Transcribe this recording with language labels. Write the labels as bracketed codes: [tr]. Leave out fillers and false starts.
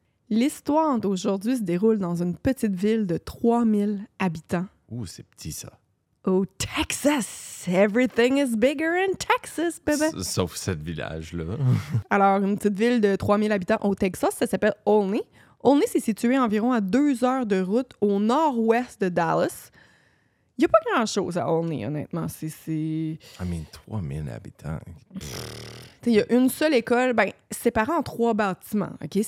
[fr] L'histoire d'aujourd'hui se déroule dans une petite ville de 3000 habitants. Ouh, c'est petit, ça. Au Texas! [en] Everything is bigger in Texas, bébé! [fr] Sauf cet village-là. Alors, une petite ville de 3000 habitants au Texas, ça s'appelle Olney. Olney, c'est situé environ à 2 heures de route au nord-ouest de Dallas. Il n'y a pas grand-chose à Olney, honnêtement. C'est... [en] I mean, 3000 habitants. [fr] Il y a une seule école, ben, séparée en 3 bâtiments, OK?